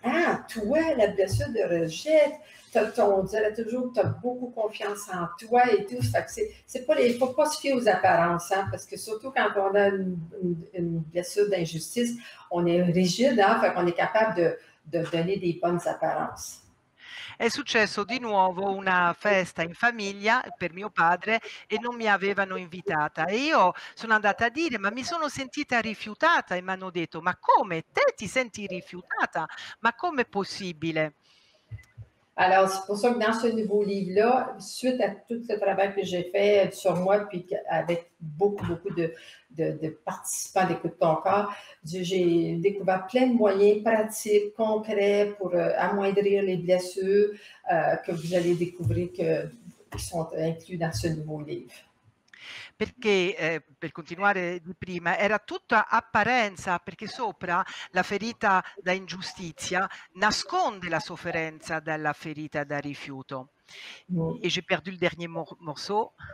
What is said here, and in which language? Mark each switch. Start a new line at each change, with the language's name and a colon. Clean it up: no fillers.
French: « Ah, toi, la blessure de rejet, on dirait toujours que tu as beaucoup confiance en toi et tout. » Ça fait que faut pas se fier aux apparences, hein, parce que surtout quand on a une blessure d'injustice, on est rigide, hein, fait qu'on est capable de donner des bonnes apparences.
Italian: È successo di nuovo una festa in famiglia per mio padre e non mi avevano invitata. E io sono andata a dire, ma mi sono sentita rifiutata, e mi hanno detto, ma come? Te ti senti rifiutata? Ma come è possibile?
French: Alors, c'est pour ça que dans ce nouveau livre-là, suite à tout ce travail que j'ai fait sur moi, puis avec beaucoup, beaucoup de participants d'Écoute ton corps, j'ai découvert plein de moyens pratiques, concrets pour amoindrir les blessures que vous allez découvrir qui sont inclus dans ce nouveau livre.
Italian: Perché, per continuare di prima, era tutta apparenza, perché sopra la ferita da ingiustizia nasconde la sofferenza dalla ferita da rifiuto.
French: E j'ai perdu il dernier morceau.